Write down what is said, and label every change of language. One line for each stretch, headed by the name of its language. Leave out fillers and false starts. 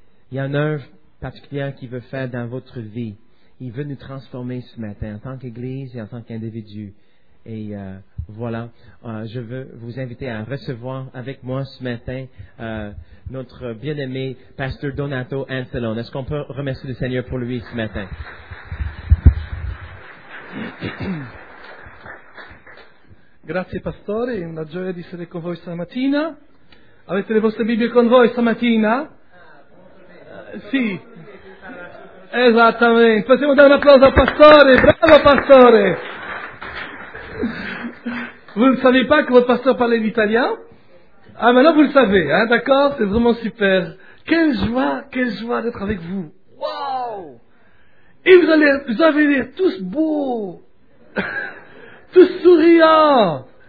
French: Il y a une œuvre particulière qu'il veut faire dans votre vie. Il veut nous transformer ce matin en tant qu'Église et en tant qu'individu. Et voilà, je veux vous inviter à recevoir avec moi ce matin notre bien-aimé pasteur Donato Anselon. Est-ce qu'on peut remercier le Seigneur pour lui ce matin?
Italian: Grazie pastore, è una gioia di essere con voi stamattina. Avete le vostre Bibbie con voi stamattina? Sì. Esattamente. Possiamo dare un applauso al pastore. Bravo pastore.
French: Vous ne savez pas que votre pasteur parlait l'italien? Ah, maintenant vous le savez, hein, d'accord? C'est vraiment super. Quelle joie d'être avec vous. Wow! Et vous avez l'air tous beaux, tous souriants.